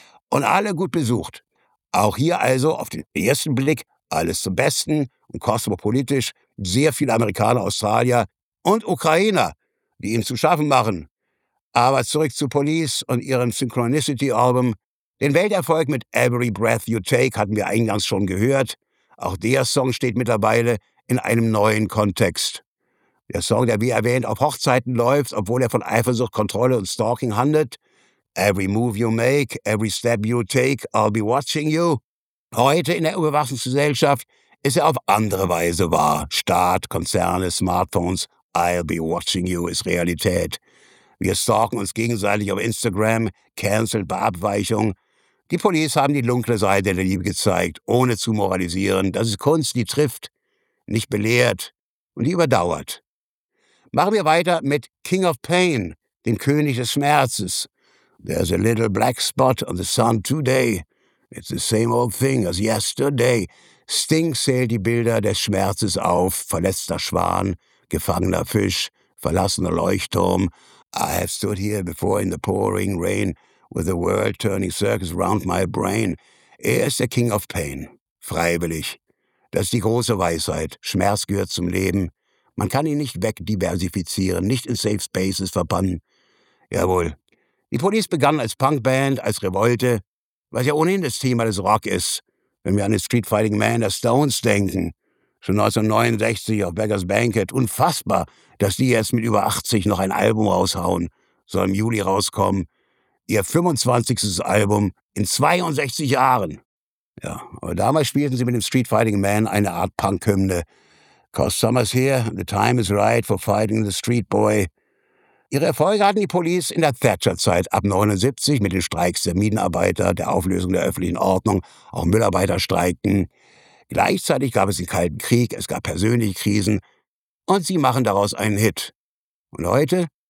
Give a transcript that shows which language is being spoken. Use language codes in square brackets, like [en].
[de] Und alle gut besucht. Auch hier also auf den ersten Blick alles zum Besten und kosmopolitisch sehr viele Amerikaner, Australier und Ukrainer, die ihm zu schaffen machen. Aber zurück zu Police und ihrem Synchronicity-Album. Den Welterfolg mit Every Breath You Take hatten wir eingangs schon gehört. Auch der Song steht mittlerweile in einem neuen Kontext. Der Song, der wie erwähnt auf Hochzeiten läuft, obwohl er von Eifersucht, Kontrolle und Stalking handelt. [en] Every move you make, every step you take, I'll be watching you. [de] Heute in der Überwachungsgesellschaft ist er auf andere Weise wahr. Staat, Konzerne, Smartphones, [en] I'll be watching you [de] ist Realität. Wir stalken uns gegenseitig auf Instagram, canceled bei Abweichung. Die Police haben die dunkle Seite der Liebe gezeigt, ohne zu moralisieren. Das ist Kunst, die trifft, nicht belehrt und die überdauert. Machen wir weiter mit King of Pain, dem König des Schmerzes. [en] There's a little black spot on the sun today. It's the same old thing as yesterday. [de] Sting zählt die Bilder des Schmerzes auf. Verletzter Schwan, gefangener Fisch, verlassener Leuchtturm. [en] I have stood here before in the pouring rain with the world turning circles round my brain. [de] Er ist der King of Pain. Freiwillig. Das ist die große Weisheit. Schmerz gehört zum Leben. Man kann ihn nicht wegdiversifizieren, nicht in Safe Spaces verbannen. Jawohl. Die Police begannen als Punkband, als Revolte, was ja ohnehin das Thema des Rock ist. Wenn wir an den Street Fighting Man der Stones denken, schon 1969 auf Beggar's Banquet. Unfassbar, dass die jetzt mit über 80 noch ein Album raushauen. Soll im Juli rauskommen. Ihr 25. Album in 62 Jahren. Ja, aber damals spielten sie mit dem Street Fighting Man eine Art Punk-Hymne. [en] 'Cause summer's here, the time is right for fighting the street boy. [de] Ihre Erfolge hatten die Police in der Thatcher-Zeit ab 79 mit den Streiks der Minenarbeiter, der Auflösung der öffentlichen Ordnung, auch Müllarbeiter streikten. Gleichzeitig gab es den Kalten Krieg, es gab persönliche Krisen und sie machen daraus einen Hit. Und heute?